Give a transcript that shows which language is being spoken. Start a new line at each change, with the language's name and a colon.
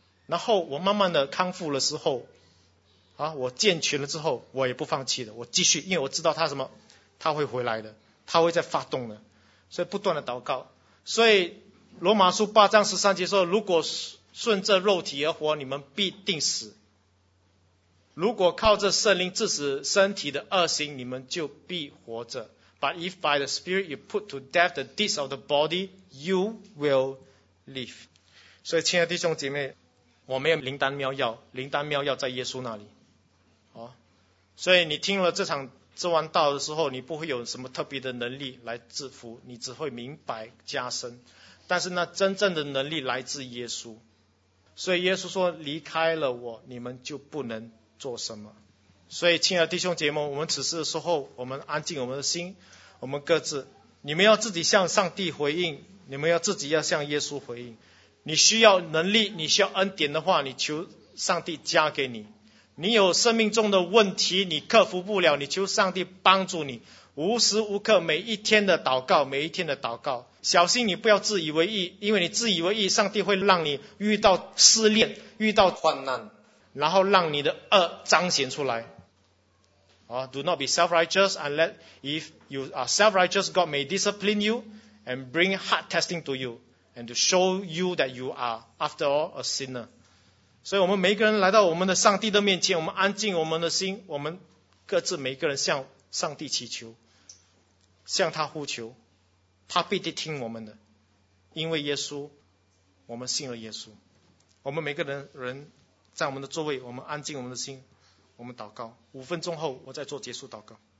Chinese: 然后我慢慢的康复了之后我健全了之后，我也不放弃的，我继续，因为我知道他什么，他会回来的，他会再发动的，所以不断的祷告。所以罗马书八章十三节说，如果顺着肉体而活，你们必定死，如果靠着圣灵致死身体的恶行，你们就必活着。
English: But if by the spirit you put to death the deeds of the body, you will live.
Chinese: 所以亲爱的弟兄姐妹，我没有灵丹妙药，灵丹妙药在耶稣那里所以你听了这完道的时候，你不会有什么特别的能力来制服，你只会明白加深，但是那真正的能力来自耶稣。所以耶稣说，离开了我你们就不能做什么。所以亲爱的弟兄姐妹，我们此时的时候，我们安静我们的心，我们各自，你们要自己向上帝回应，你们要自己要向耶稣回应。你需要能力，你需要恩典的话，你求上帝加给你。你有生命中的问题，你克服不了，你求上帝帮助你。无时无刻，每一天的祷告，每一天的祷告。小心你不要自以为意，因为你自以为意，上帝会让你遇到失恋，遇到患难，然后让你的恶彰显出来。
English: Do not be self-righteous, unless if you are self-righteous, God may discipline you and bring hard testing to you and to show you that you are, after all, a sinner.
Chinese: 所以我们每个人来到我们的上帝的面前，我们安静我们的心，我们各自每个人向上帝祈求，向他呼求，他必定听我们的，因为耶稣，我们信了耶稣。我们每个人在我们的座位，我们安静我们的心，我们祷告，五分钟后我再做结束祷告。